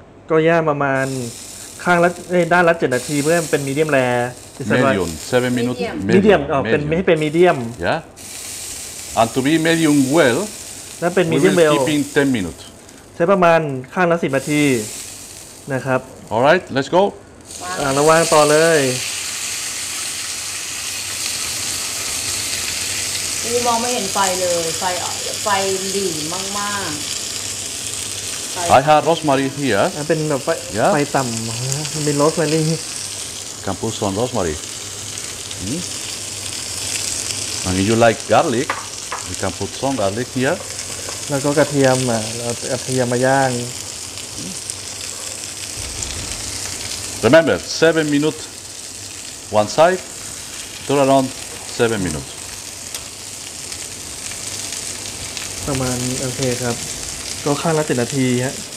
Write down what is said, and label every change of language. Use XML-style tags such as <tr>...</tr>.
<th>ก็ย่างประมาณข้างละด้านละ7นาทีเพื่อให้มันเป็น medium rare</th> <en>medium 7 minutes</en> <th>medium เป็นไม่ให้เป็น medium</th> <en>yeah and to be medium well</en> <th>นเป็น medium well</th> <en>keeping 10 minutes</en> <th>ใช้ประมาณข้างละ10นาทีนะครับ</th> <en>all right let's go</en> <th>ระวังต่อเลย กูมองไม่เห็นไฟเลยไฟดีมากมาก</th> <en>I have rosemary here</en> <th>เป็นแบบไฟต่ำมันเป็น rosemary</th> <en>Campuzón rosemary and if you like garlic you can put some garlic here</en> <th>แล้วก็กระเทียมกระเทียมมาย่าง</th> <en>Remember 7 minutes one side turn around 7 minutes</en> <th>ประมาณโอเคครับก็ข้างละ7นาทีฮะ</th>